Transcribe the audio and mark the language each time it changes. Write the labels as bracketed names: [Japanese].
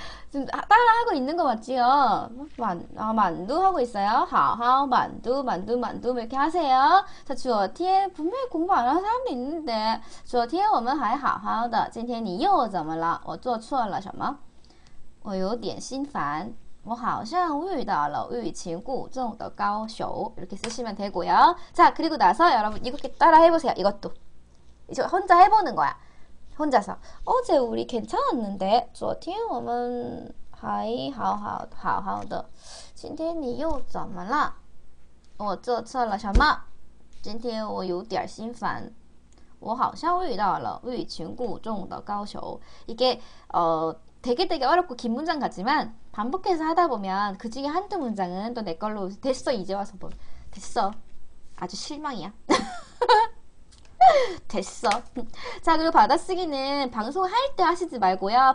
[Korean] 지금 따라하고 있는 거 맞지요? 만두 하고 있어요? 하하, 만두, 이렇게 하세요. 자, 주어 뒤에 분명히 공부 안 하는 사람도 있는데, 주어 뒤에 [Chinese] 我们还好好的，今天你又怎么了？我做错了什么？我有点心烦，我好像遇到了欲擒故纵的高手。 [Korean] 이렇게 쓰시면 되고요. 자, 그리고 나서 여러분 이렇게 따라 해보세요. 이것도 이제 혼자 해보는 거야. 혼자서 어제 우리 괜찮았는데, [Chinese] 昨天我们还好好的，今天你又怎么了？我做错了什么？今天我有点心烦，我好像遇到了欲擒故纵的高手。 [Korean] 이게 되게 어렵고 긴 문장 같지만 반복해서 하다 보면 그 중에 한두 문장은 또내 걸로 됐어. 이제 와서 뭐 됐어. 아주 실망이야. 됐어. 자, 그리고 받아쓰기는 방송할 때 하시지 말고요.